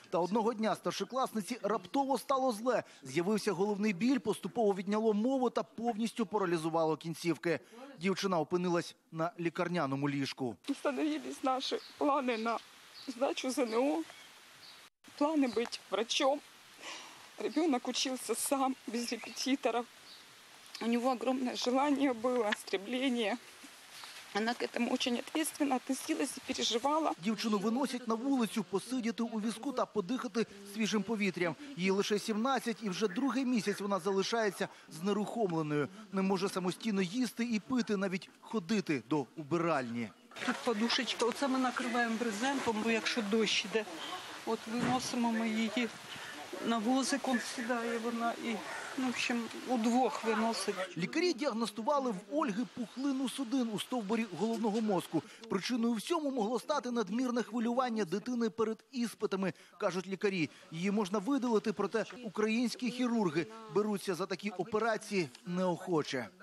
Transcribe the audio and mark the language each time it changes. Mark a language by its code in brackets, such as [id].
[uk] Та одного дня старшокласниці раптово стало зле. З'явився головний біль, поступово відняло мову та повністю паралізувало кінцівки. Дівчина опинилась на лікарняному ліжку. Встановились наші плани на здачу ЗНО. плани [ru] быть врачом. Ребенок учился сам, без репетиторов. У него огромное желание было, стремление. [uk] Вона к цьому дуже відповідально відносилась і переживала. Дівчину виносять на вулицю посидіти у візку та подихати свіжим повітрям. Їй лише 17 і вже другий місяць вона залишається знерухомленою. Не може самостійно їсти і пити, навіть ходити до убиральні. Тут подушечка, оце ми накриваємо брезентом, бо якщо дощ йде, от виносимо ми її на возик, он сідає вона і... [ru] Ну, в общем, [uk] удвох виносить. Лікарі діагностували в Ольги пухлину судин у стовбурі головного мозку. Причиною всьому могло стати надмірне хвилювання дитини перед іспитами, кажуть лікарі. Її можна видалити, проте українські хірурги беруться за такі операції неохоче.